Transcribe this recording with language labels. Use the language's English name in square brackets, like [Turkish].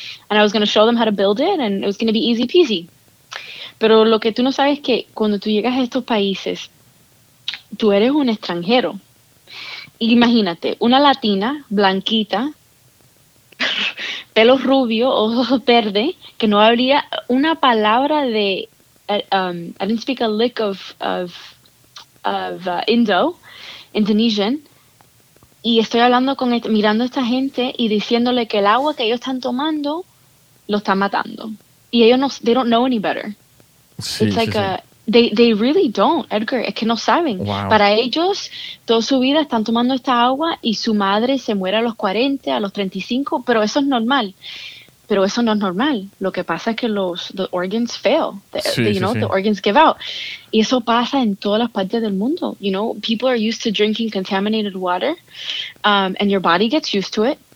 [English] And I was going to show them how to build it and it was going to be easy peasy. [Spanish] Pero lo que tú no sabes es que cuando tú llegas a estos países, tú eres un extranjero. Imagínate, una latina blanquita, pelo rubio, ojos verde, que no habría una palabra de [English] I didn't speak a lick of Indonesian, [Spanish] y estoy hablando mirando a esta gente y diciéndole que el agua que ellos están tomando lo están matando. Y ellos no, [English] they don't know any better. [Spanish] Sí, [English] it's like [Spanish] sí, a, sí. [English] They really don't, [Spanish] Edgar. Es que no saben. [English] Wow. [Spanish] Para ellos, toda su vida están tomando esta agua y su madre se muere a los 40, a los 35, pero eso es normal. Pero eso no es normal. Lo que pasa es que los [English] the organs fail. The organs give out. [Spanish] Y eso pasa en todas las partes del mundo. [English] You know, people are used to drinking contaminated water and your body gets used to it.